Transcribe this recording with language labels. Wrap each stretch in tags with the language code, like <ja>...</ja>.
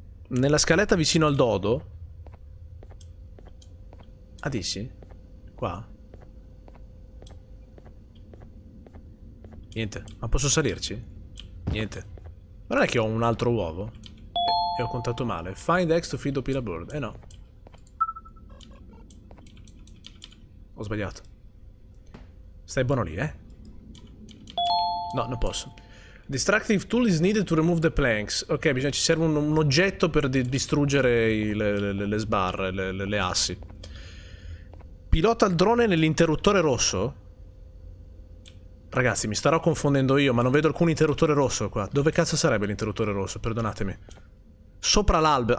<it>Nella scaletta vicino al dodo? Ah, dici? Qua? Niente. Ma posso salirci? Niente. Ma non è che ho un altro uovo? E ho contato male.</it> <en>Find eggs to feed the pila bird.</en> <it>Eh no. Ho sbagliato. Stai buono lì, eh? No, non posso.</it> <en>Destructive tool is needed to remove the planks.</en> <it>Ok, bisogna, ci serve un oggetto per distruggere le sbarre, le assi. Pilota il drone nell'interruttore rosso? Ragazzi, mi starò confondendo io, ma non vedo alcun interruttore rosso qua. Dove cazzo sarebbe l'interruttore rosso? Perdonatemi. Sopra l'albero.</it>